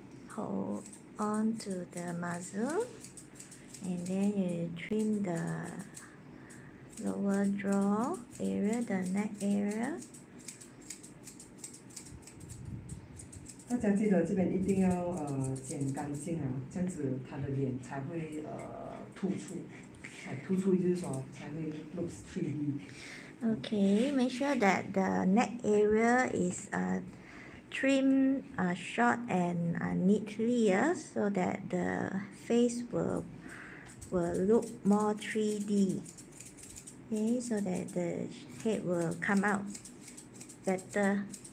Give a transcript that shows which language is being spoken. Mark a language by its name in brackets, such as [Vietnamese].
[English] Hold on to the muzzle and then you trim the lower jaw area, the neck area. [Chinese] 大家记得这边一定要剪干净啊，这样子他的脸才会突出，才会 look 3D. [English] Okay, make sure that the neck area is trimmed short and neatly, so that the face will look more 3D. Okay, so that the head will come out better.